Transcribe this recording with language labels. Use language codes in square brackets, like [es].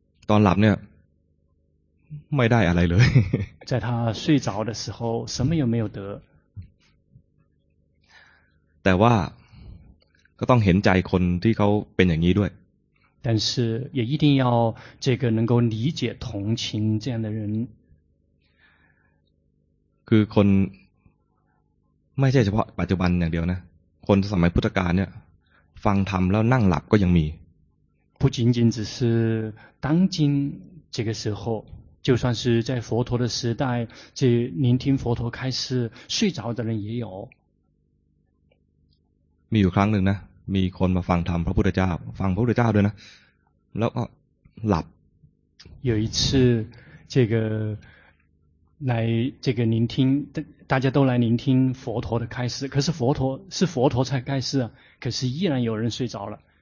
[th] ตอนหลับเนี่ยไม่ได้อะไรเลย [zh] 在他睡着的时候什么也没有得 [th] แต่ว่าก็ต้องเห็นใจคนที่เขาเป็นอย่างนี้ด้วย [zh] 但是也一定要这个能够理解同情这样的人 [th] คือคนไม่ใช่เฉพาะปัจจุบันอย่างเดียวนะคนสมัยพุทธกาลเนี่ยฟังธรรมแล้วนั่งหลับก็ยังมี [zh] 不仅仅只是当今这个时候就算是在佛陀的时代，这聆听佛陀开示睡着的人也有。 [th] มีอยู่ครั้งหนึ่งนะมีคนมาฟังธรรมพระพุทธเจ้าฟังพระพุทธเจ้าด้วยนะแล้วก็หลับ [zh] 有一次这个来这个聆听大家都来聆听佛陀的开示可是佛陀是佛陀才开示可是依然有人睡着了